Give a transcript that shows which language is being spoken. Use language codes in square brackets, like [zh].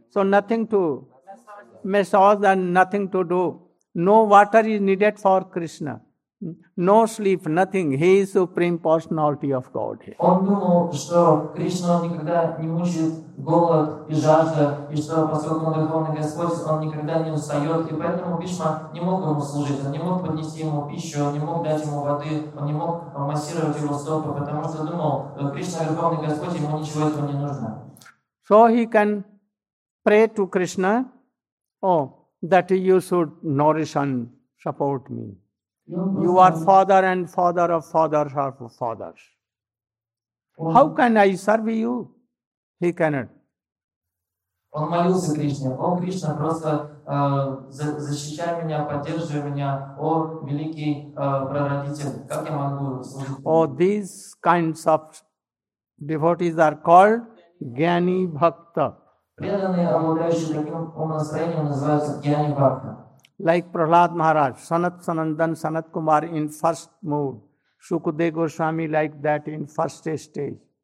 [en] So nothing to massage and nothing to do. No water is needed for Krishna. No sleep, nothing. He is Supreme Personality of God. [ru] Он думал, что Кришна никогда не мучает голод и жажда, и что поскольку он Верховный Господь, он никогда не устает. И поэтому Бишма не мог ему служить, он не мог поднести ему пищу, он не мог дать ему воды, он не мог массировать его стопы, потому что думал, что Кришна Верховный Господь, ему ничего этого не нужно. [en] So he can pray to Krishna, oh, that you should nourish and support me. You are father and father of fathers of fathers. How can I serve you? He cannot. [ru] Он молился Кришне. О, Кришна, просто защищай меня, поддерживай меня. О, великий прародитель, как я могу служить? [en] Oh, these kinds of devotees are called Jnani Bhakta. [ru] Преданные, обладающие таким умонастроением, называются Jnani Bhakta. [en] Like Prahlad Maharaj, Sanat Sanandan, Sanat Kumar in first mood. Sukadeva Goswami like that in first stage.